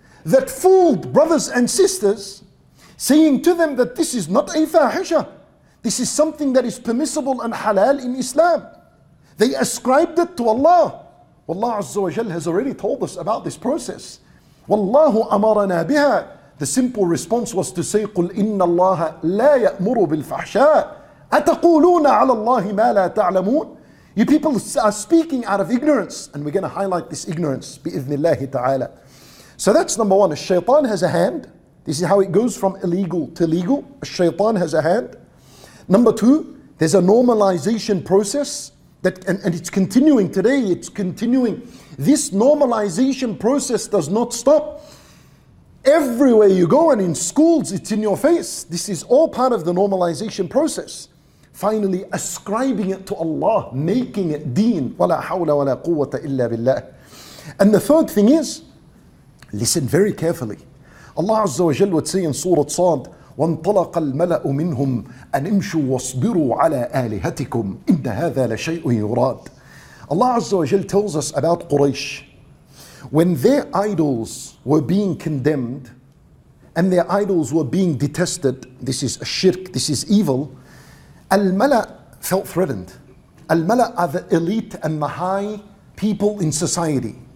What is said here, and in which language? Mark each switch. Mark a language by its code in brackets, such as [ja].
[en] that fooled brothers and sisters, saying to them that this is not a fahisha. This is something that is permissible and halal in Islam. They ascribed it to Allah. Wallahu Azza wa Jal has already told us about this process. [ar] Wallahu amarana biha. [en] The simple response was to say, [ar] قُلْ إِنَّ اللَّهَ لَا يَأْمُرُ بِالْفَحْشَاءِ أَتَقُولُونَ عَلَى اللَّهِ مَا لَا تَعْلَمُونَ. [en] You people are speaking out of ignorance, and we're going to highlight this ignorance, [ar] بِإِذْنِ اللَّهِ تَعَالَى. [en] So that's number one, الشيطان has a hand. This is how it goes from illegal to legal. الشيطان has a hand. Number two, there's a normalization process, and it's continuing today, it's continuing. This normalization process does not stop. Everywhere you go, and in schools, it's in your face. This is all part of the normalization process. Finally, ascribing it to Allah, making it deen. [ar] وَلَا حَوْلَ وَلَا قُوَّةَ إِلَّا بِاللَّهِ. [en] And the third thing is, listen very carefully. Allah Azza wa Jal would say in Surah Sad, [ar] وَانْطَلَقَ الْمَلَأُ مِنْهُمْ أَنِمْشُوا وَاصْبِرُوا عَلَىٰ آلِهَتِكُمْ إِنَّ هَذَا لَشَيْءٌ يُرَادٌ. [en] Allah Azza wa Jal tells us about Quraysh. When their idols were being condemned and their idols were being detested, this is a shirk, this is evil, Al-Mala felt threatened. Al-Mala are the elite and the high people in society.